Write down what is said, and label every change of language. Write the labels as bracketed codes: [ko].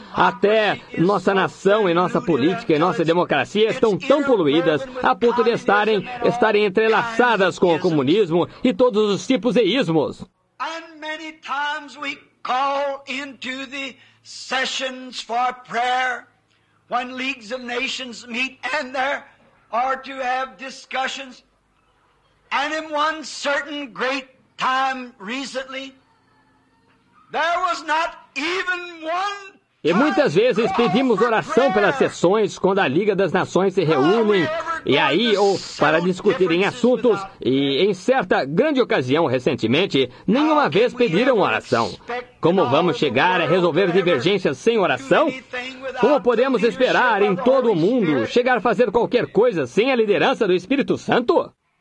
[pt] Até nossa nação e nossa política e nossa democracia estão tão poluídas a ponto de estarem entrelaçadas com o comunismo e todos os tipos de ismos. muitas vezes nós chamamos para as sessões para a oração. [en] When leagues of nations meet and there are to have discussions. And in one certain great time recently, there was not even one. [pt] E muitas vezes pedimos oração pelas sessões quando a Liga das Nações se reúne e aí, ou para discutir em assuntos, e em certa grande ocasião recentemente, nenhuma vez pediram oração. Como vamos chegar a resolver divergências sem oração? Como podemos esperar em todo o mundo chegar a fazer qualquer coisa sem a liderança do Espírito Santo?